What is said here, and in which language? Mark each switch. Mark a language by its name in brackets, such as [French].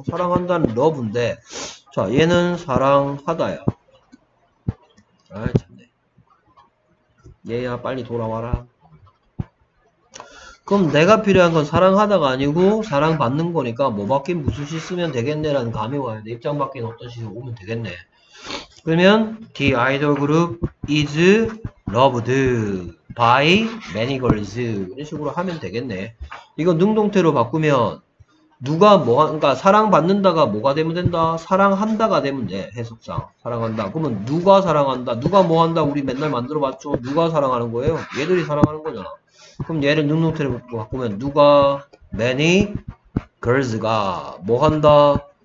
[Korean] 사랑한다는 러브인데, 자, 얘는 사랑하다야. 아이 참. 얘야, 빨리 돌아와라. 그럼 내가 필요한 건 사랑하다가 아니고 사랑받는 거니까 뭐 바뀐 무슨 시 쓰면 되겠네라는 감이 와야 돼. 입장 바뀐 어떤 시 오면 되겠네. 그러면 [English] the idol group is loved by many girls. [Korean] 이런 식으로 하면 되겠네. 이거 능동태로 바꾸면 누가 뭐, 그러니까 사랑받는다가 뭐가 되면 된다? 사랑한다가 되면 돼, 해석상. 사랑한다. 그러면 누가 사랑한다? 누가 뭐 한다? 우리 맨날 만들어봤죠? 누가 사랑하는 거예요? 얘들이 사랑하는 거잖아. 그럼 얘를 능동태로 바꾸면 누가, many girls가 뭐 한다?